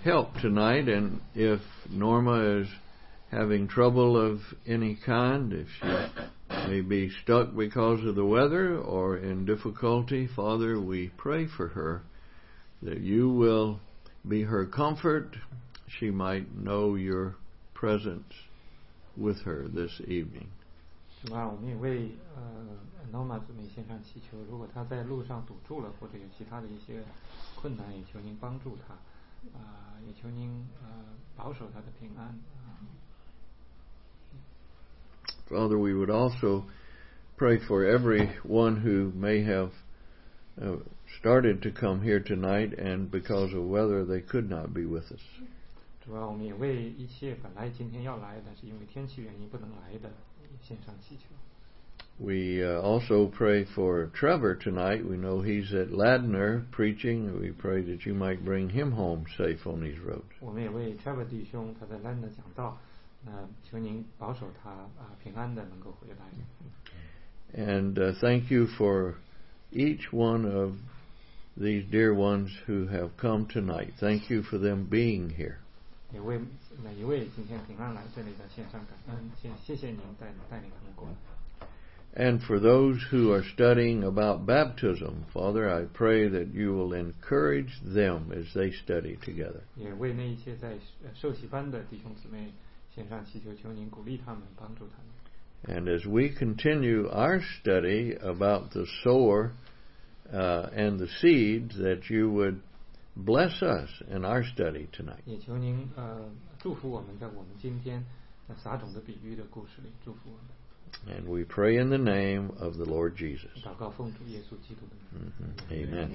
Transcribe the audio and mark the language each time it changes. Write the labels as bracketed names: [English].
[English] help tonight, and if Norma is having trouble of any kind, if she may be stuck because of the weather or in difficulty, Father, we pray for her that you will be her comfort. She might know your presence with her this evening. [Chinese] 主啊，我们也为Norma 姊妹献上祈求。如果她在路上堵住了，或者有其他的一些困难，也求您帮助她。也求您保守她的平安。 [English] Father, we would also pray for everyone who may have started to come here tonight, and because of weather, they could not be with us. [Chinese] 主啊，我们也为一切本来今天要来，但是因为天气原因不能来的，献上祈求。 [English] We also pray for Trevor tonight. We know he's at Ladner preaching. We pray that you might bring him home safe on these roads. [Chinese] 我们也为 Trevor 弟兄他在 Ladner 讲道，那求您保守他平安的能够回来。 [English] And thank you for each one of these dear ones who have come tonight. Thank you for them being here. [Chinese] 也为每一位今天平安来这里的献上感恩，谢谢您带领他们过来。 [English] And for those who are studying about baptism, Father, I pray that you will encourage them as they study together. [Chinese] 也为那一些在受洗班的弟兄姊妹献上祈求，求您鼓励他们，帮助他们。 [English] And as we continue our study about the sower and the seed, that you would bless us in our study tonight. [Chinese] 也求您祝福我们在我们今天撒种的比喻的故事里祝福我们。 [English] And we pray in the name of the Lord Jesus. [Chinese] 祷告奉主耶稣基督的名。